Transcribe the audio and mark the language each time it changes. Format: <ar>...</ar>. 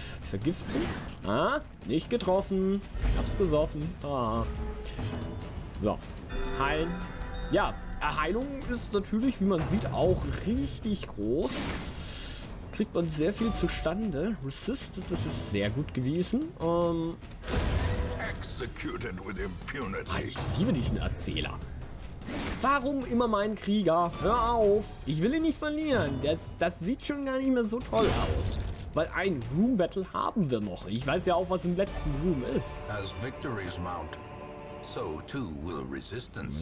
<de>Vergiften? Ah, nicht getroffen. Ich hab's gesoffen. Ah. So, heilen. Ja. Heilung ist natürlich, wie man sieht, auch richtig groß. Kriegt man sehr viel zustande. Resisted, das ist sehr gut gewesen.</de> <en>Executed with impunity.</en> <de>Ah, ich liebe diesen Erzähler. Warum immer meinen Krieger? Hör auf! Ich will ihn nicht verlieren. Das sieht schon gar nicht mehr so toll aus. Weil ein Room Battle haben wir noch. Ich weiß ja auch, was im letzten Room ist.</de> <en>As victories mount. So too will resistance.</en>